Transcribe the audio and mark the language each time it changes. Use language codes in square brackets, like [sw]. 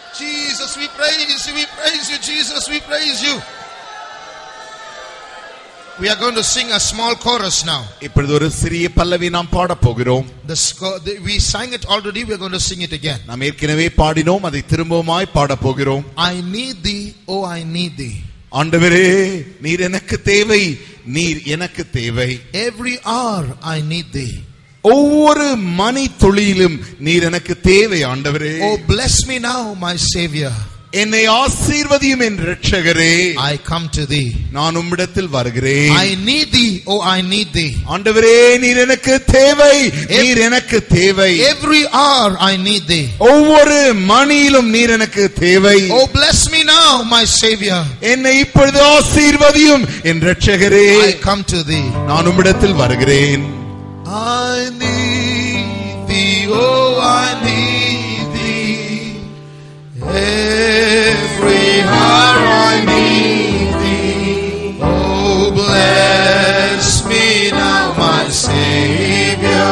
[en] Jesus, we praise you, we praise you, Jesus, we praise you. We are going to sing a small chorus now. [ta] இப்பொழுது ஒரு சிறிய பல்லவி நாம் பாட போகிறோம். [en] We sang it already, we are going to sing it again. [ta] நாம் ஏற்கனவே பாடினோம், அதை திரும்பவுமாய் பாட போகிறோம். [en] I need thee, oh I need thee. [ta] ஆண்டவரே, நீர் எனக்கு தேவை, நீர் எனக்கு தேவை. [en] Every hour I need thee. [ta] ஒவ்வொரு மணி துளியிலும் நீர் எனக்கு தேவை ஆண்டவரே. [en] Oh bless me now, my savior. [ta] என்னை ஆசீர்வதியும் என் இரட்சகரே. [en] I come to thee. [ta] நான் உம்மிடத்தில் வருகிறேன். [en] I need thee, oh I need thee. [ta] ஆண்டவரே, நீர் எனக்கு தேவை, நீர் எனக்கு தேவை. [en] Every hour I need thee. [ta] ஒவ்வொரு மணியிலும் நீர் எனக்கு தேவை. [en] Oh bless me now, my savior. [ta] என்னை இப்பொழுது ஆசீர்வதியும் என் இரட்சகரே. [en] I come to thee. [ta] நான் உம்மிடத்தில் வருகிறேன். [en] I need thee, oh I need thee. Every hour I need thee. Oh bless me now, my Savior.